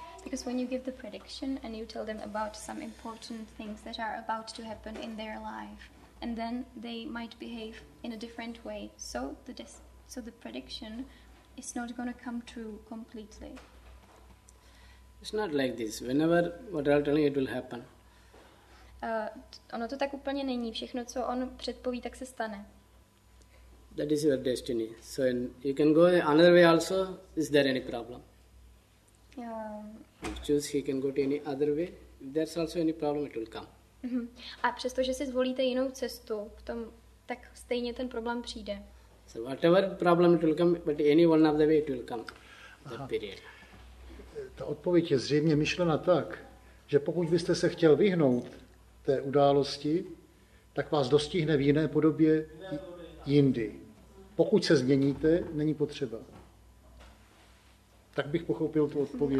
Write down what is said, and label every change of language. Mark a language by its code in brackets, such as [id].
[en] Because when you give the prediction and you tell them about some important things that are about to happen in their life, and then they might behave in a different way, so the prediction is not going to come true completely. It's not like this. Whenever what I'll tell you, it will happen. [cs] Ono to tak úplně není. Všechno, co on předpoví, tak se stane. [en] That is your destiny. So you can go another way also. Is there any problem? If choose, he can go to any other way. If there's also any problem, it will come. Mm-hmm. [cs] A přesto, že si zvolíte jinou cestu, v tom, tak stejně ten problém přijde. [en] So whatever problem it will come, but any one of the way it will come. That period. [cs] Ta odpověď je zřejmě myšlena tak, že pokud byste se chtěl vyhnout té události, tak vás dostihne v jiné podobě jindy. Pokud se změníte, není potřeba. Tak bych pochopil tu odpověď.